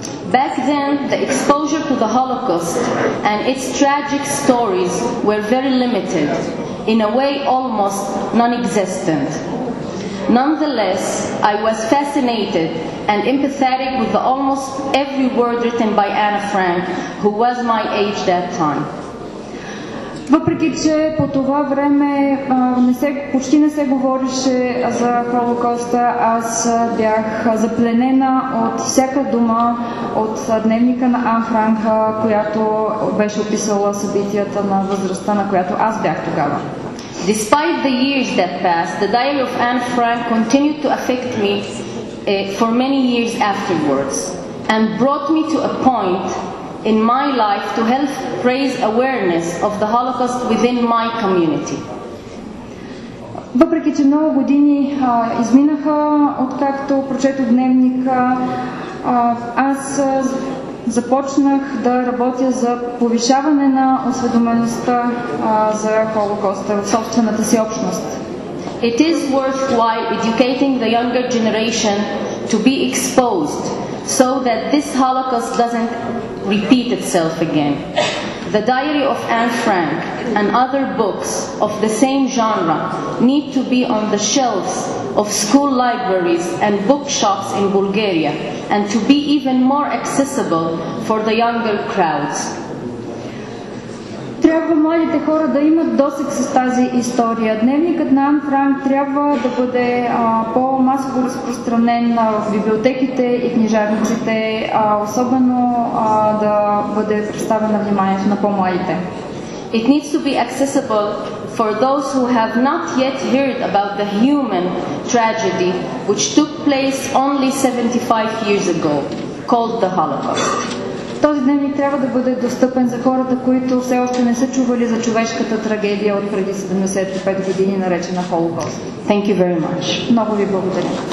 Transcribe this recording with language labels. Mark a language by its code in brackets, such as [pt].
[en] Back then, the exposure to the Holocaust and its tragic stories were very limited, in a way almost non-existent. Nonetheless, I was fascinated and empathetic with the almost every word written by Anne Frank, who was my age that time. [bg] Въпреки че по това време почти не се говореше за Холокоста, аз бях запленена от всяка дума от дневника на Ан Франк, която беше описала събитията на възрастта, на която аз бях тогава. [en] Despite the years that passed, the diary of Anne Frank continued to affect me for many years afterwards and brought me to a point in my life to help raise awareness of the Holocaust within my community. [bg] Въпреки че много години изминаха откакто прочетох дневника, аз започнах да работя за повишаване на осведомеността за Холокоста в собствената си общност. [en] It is worthwhile educating the younger generation to be exposed so that this Holocaust doesn't repeat itself again. The diary of Anne Frank and other books of the same genre need to be on the shelves of school libraries and bookshops in Bulgaria and to be even more accessible for the younger crowds. [bg] Трябва младите хора да имат досег с тази история. Дневникът на Ан Франк трябва да бъде по-масово разпространен в библиотеките и книжарниците, особено да бъде представен на вниманието на по-младите. [en] It needs to be accessible for those who have not yet heard about the human tragedy which took place only 75 years ago, called the Holocaust. [bg] Този ден ми трябва да бъде достъпен за хората, които все още не са чували за човешката трагедия от преди 75 години, наречена Холокост. [en] Thank you very much. [bg] Много ви благодаря.